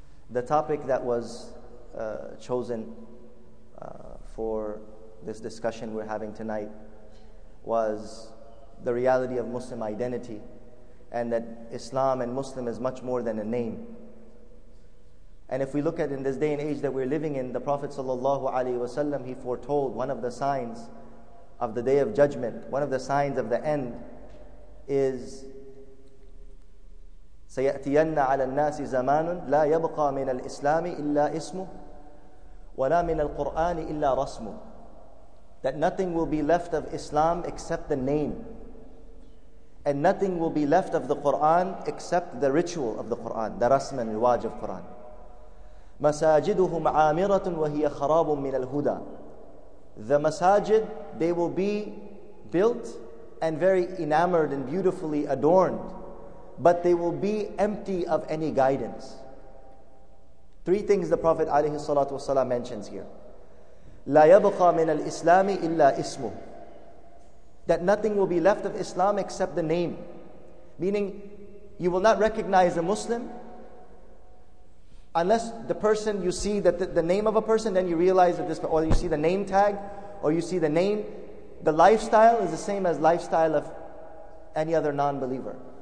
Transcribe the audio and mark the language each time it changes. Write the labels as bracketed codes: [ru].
[en] The topic that was chosen for this discussion we're having tonight was the reality of Muslim identity, and that Islam and Muslim is much more than a name. And if we look at in this day and age that we're living in, the Prophet sallallahu alaihi wasallam, he foretold one of the signs of the Day of Judgment, one of the signs of the end is [ar] سيأتين على الناس زمان لا يبقى من الإسلام إلا اسمه ولا من القرآن إلا رسمه. [en] That nothing will be left of Islam except the name, and nothing will be left of the Quran except the ritual of the Quran, the rasm and riwaj of Quran. [ar] مساجدهم عامرة وهي خراب من الهدى. [en] The masajid, they will be built and very enamored and beautifully adorned, but they will be empty of any guidance. Three things the Prophet alayhi salatu wasalam mentions here. [ar] لا يبقى من الإسلام إلا اسمه. [en] That nothing will be left of Islam except the name. Meaning, you will not recognize a Muslim unless the person, you see that the name of a person, then you realize that this, or you see the name tag, or you see the name. The lifestyle is the same as lifestyle of any other non-believer.